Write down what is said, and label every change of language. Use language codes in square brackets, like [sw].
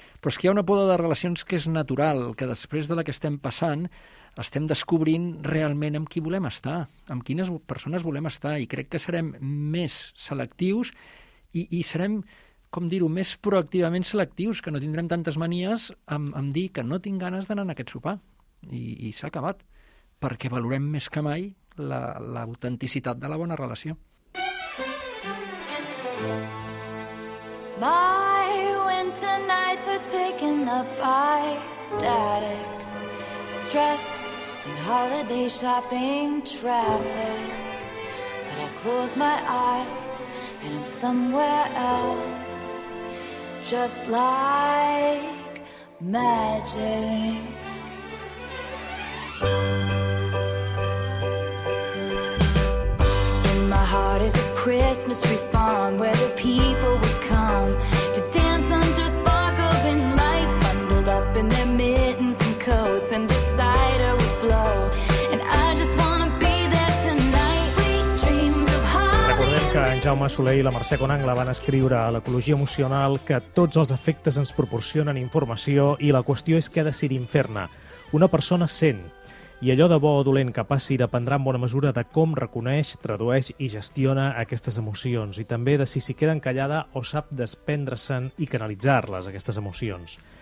[ca] Però és que hi ha una poda de relacions que és natural, que després de la que estem passant estem descobrint realment amb qui volem estar, amb quines persones volem estar, i crec que serem més selectius i serem, com dir-ho, més proactivament selectius, que no tindrem tantes manies amb dir que no tinc ganes d'anar a aquest sopar. I s'ha acabat, perquè valorem més que mai l'autenticitat de la bona relació. [en] My winter nights are taken up by static stress and holiday shopping traffic. But I close my eyes and I'm somewhere else, just like magic. In my heart is a Christmas tree farm where the people would come to dance under sparkles and lights, bundled up in their mittens and coats, and the cider would flow. And I just wanna be there tonight. Sweet dreams of Hollywood. [ca] Recordem que en Jaume Soler i la Mercè Conangle van escriure a l'Ecologia Emocional que tots els efectes ens proporcionen informació i la qüestió és què decidim fer-ne. Una persona sent. I allò de bo o dolent que passi dependrà en bona mesura de com reconeix, tradueix i gestiona aquestes emocions i també de si s'hi queda encallada o sap desprendre-se'n i canalitzar-les, aquestes emocions.